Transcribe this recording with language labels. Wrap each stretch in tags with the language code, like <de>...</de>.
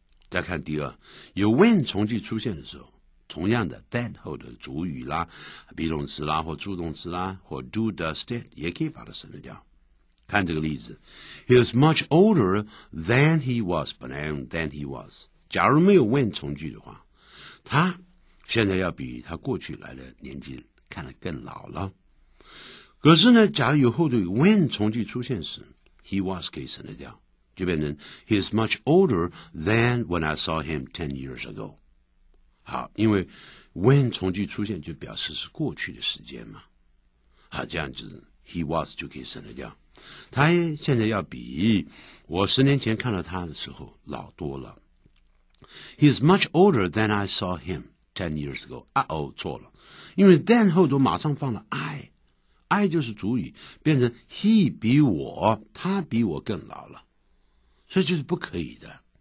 <zh>再看第二，有 when 从句出现的时候，同样的 than 后的主语啦 be 动词啦或助动词啦或 do does did 也可以把它省略掉。看这个例子，</zh> <en>He is much older than he was，</en> <zh>本来用 than he was， 假如没有 when 从句的话，他现在要比他过去来的年纪看得更老了。可是呢，假如有后头 when 从句出现时， he was 可以省得掉，就变成</zh> <en>he is much older than when I saw him 10 years ago。</en> <zh>好，因为 when 从句出现就表示是过去的时间嘛。好，这样子</zh> <en>he was</en> <zh>就可以省得掉，他现在要比我十年前看到他的时候老多了。</zh> <en>he is much older than I saw him 10 years ago，</en> <zh>错了，因为 than 后头马上放了 I 就是主语，变成 he 比我，他比我更老了，所以就是不可以的。</zh>